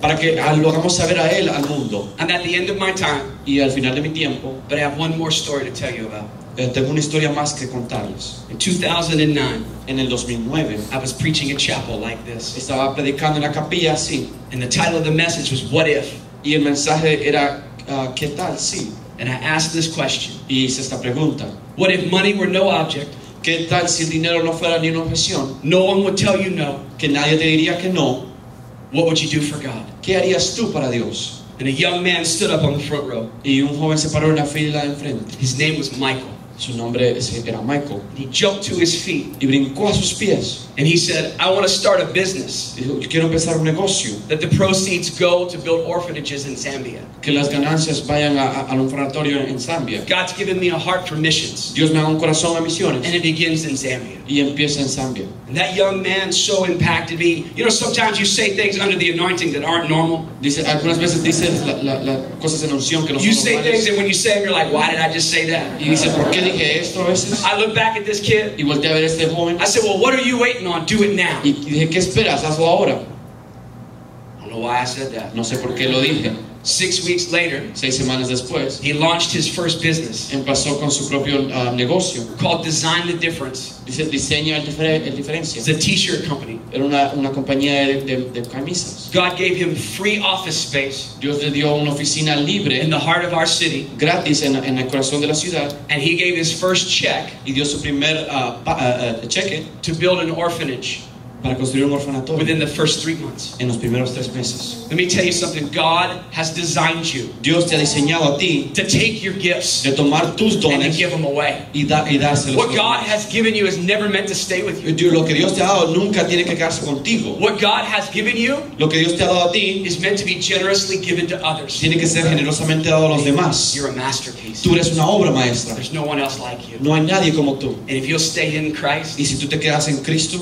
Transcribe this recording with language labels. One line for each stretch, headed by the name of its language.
Spanish: Para que lo hagamos saber a Él al mundo.
English: And at the end of my time.
Spanish: Y al final de mi tiempo.
English: But I have one more story to tell you about.
Spanish: Tengo una historia más que contarles.
English: In 2009,
Spanish: en el 2009,
English: I was preaching a chapel like this.
Spanish: Estaba predicando en la capilla así.
English: And the title of the message was "What If?"
Spanish: Y el mensaje era ¿qué tal si?
English: And I asked this question.
Spanish: Y hice esta pregunta.
English: What if money were no object?
Spanish: ¿Qué tal si el dinero no fuera ni una objeción?
English: No one would tell you no.
Spanish: Que nadie te diría que no.
English: What would you do for God?
Spanish: ¿Qué harías tú para Dios?
English: And a young man stood up on the front row.
Spanish: Y un joven se paró en la fila de enfrente.
English: His name was Michael.
Spanish: Su nombre era Michael.
English: He jumped to his feet.
Spanish: Y brincó a sus pies.
English: And he said, "I want to start a business."
Spanish: Dijo, "Yo quiero empezar un negocio."
English: That the proceeds go to build orphanages in Zambia.
Spanish: Que las ganancias vayan al orfanatorio en Zambia.
English: God's given me a heart for missions.
Spanish: Dios me ha dado un corazón a misiones.
English: And it begins in Zambia.
Spanish: Y empieza en Zambia.
English: And that young man so impacted me. You know, sometimes you say things under the anointing that aren't normal.
Spanish: Dice, algunas veces dices la cosas en unción que no son
English: you You say things and when you say them, you're like, "Why did I just say that?"
Spanish: Y dice, "¿Por qué dije esto a veces?"
English: I look back at this kid.
Spanish: Y volteé a ver este joven.
English: I said, "Well, what are you waiting on? Do it now."
Spanish: Y dije, "¿Qué esperas? Hazlo ahora."
English: I don't know why I said that.
Spanish: No sé por qué lo dije.
English: 6 weeks later,
Spanish: 6 semanas después,
English: he launched his first business.
Spanish: Empezó con su propio negocio.
English: Called Design the Difference.
Spanish: Dice Diseña el Diferencia.
English: It's a t-shirt company.
Spanish: Era una compañía de camisas.
English: God gave him free office space.
Spanish: Dios le dio una oficina libre.
English: In the heart of our city.
Spanish: Gratis en el corazón de la ciudad.
English: And he gave his first check.
Spanish: Y dio su primer cheque.
English: To build an orphanage.
Spanish: Para construir un orfanato.
English: Within the first 3 months.
Spanish: En los primeros 3 meses.
English: Let me tell you something. God has designed you.
Spanish: Dios te ha diseñado a ti.
English: To take your gifts.
Spanish: De tomar tus dones.
English: And to give them away.
Spanish: Y dárselos.
English: What God has given you is never meant to stay with you.
Spanish: Lo que Dios te ha dado nunca tiene que quedarse contigo.
English: What God has given you.
Spanish: Lo que Dios te ha dado a ti.
English: Is meant to be generously given to others.
Spanish: Tiene que ser generosamente dado a los demás.
English: You're a masterpiece.
Spanish: Tú eres una obra maestra.
English: There's no one else like you.
Spanish: No hay nadie como tú.
English: And if you'll stay in Christ.
Spanish: Y si tú te quedas en Cristo.